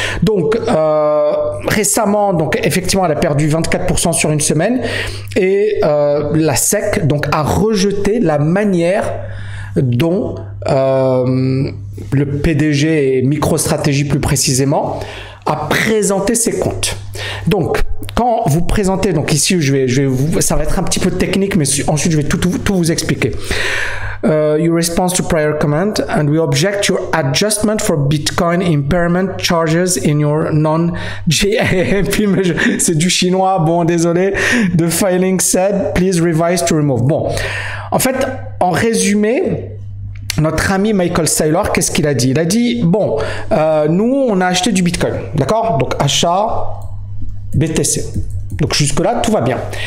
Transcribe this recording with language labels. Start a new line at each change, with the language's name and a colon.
French: Donc récemment, donc effectivement, elle a perdu 24% sur une semaine et la SEC donc a rejeté la manière dont le PDG et MicroStrategy plus précisément a présenté ses comptes. Donc quand vous présentez, donc ici ça va être un petit peu technique, mais ensuite je vais tout vous expliquer.
English: Your response to prior comment and we object your adjustment for Bitcoin impairment charges in your non-GAAP.
French: C'est du chinois, bon, désolé.
English: The filing said, please revise to remove.
French: Bon, en fait, en résumé, notre ami Michael Saylor, qu'est-ce qu'il a dit? Il a dit, bon, nous, on a acheté du Bitcoin, d'accord? Donc, achat BTC. Donc jusque-là, tout va bien.